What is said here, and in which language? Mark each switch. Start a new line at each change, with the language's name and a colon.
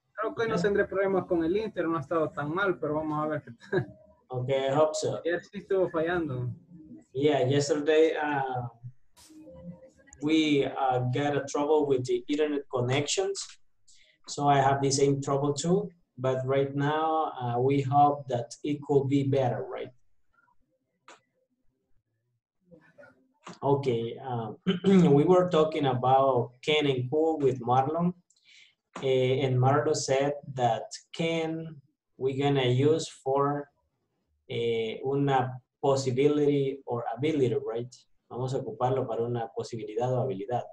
Spanish: Creo que no tendré problemas con el Inter, no ha estado tan mal, pero vamos a ver.
English: Okay, I hope so. Yes,
Spanish: sí estuvo fallando.
English: Yeah, yesterday we got a trouble with the internet connections. So I have the same trouble too, but right now we hope that it could be better, right? Okay, we were talking about can and could with Marlon, and Marlon said that can we're gonna use for una possibility or ability, right?
Spanish: Vamos a ocuparlo para una posibilidad o habilidad.